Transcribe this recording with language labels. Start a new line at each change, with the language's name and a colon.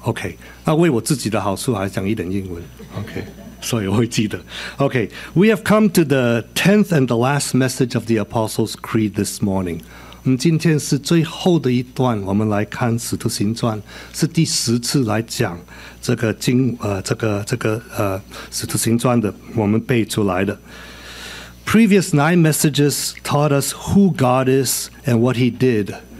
Chinese: OK， 那为我自己的好处还讲一点英文。 OK， 所以我会记得。
English: OK， we have come to the 10th and the last message of the Apostles' Creed this morning.
Chinese: 今天是最后的一段，我们来看《使徒行传》，是第十次来讲这个《使徒行传》的，我们背出来的。
English: Previous nine messages taught us who God is and what He did.